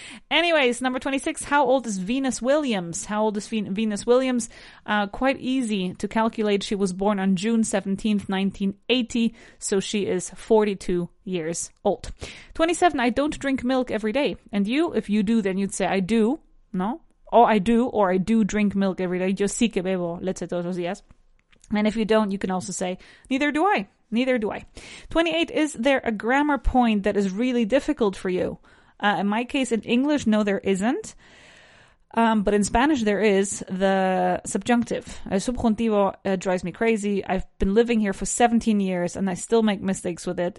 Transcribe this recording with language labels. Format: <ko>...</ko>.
<en>Anyways, number 26, how old is Venus Williams? Quite easy to calculate. She was born on June 17th, 1980, so she is 42 years old. 27, I don't drink milk every day. And you, if you do, then you'd say, I do, no? I do drink milk every day.</en> <es>Yo sí que bebo leche todos los días.</es> <en>And if you don't, you can also say, neither do I. 28, is there a grammar point that is really difficult for you? In my case, in English, no, there isn't. But in Spanish, there is the subjunctive. El subjuntivo drives me crazy. I've been living here for 17 years and I still make mistakes with it.</en>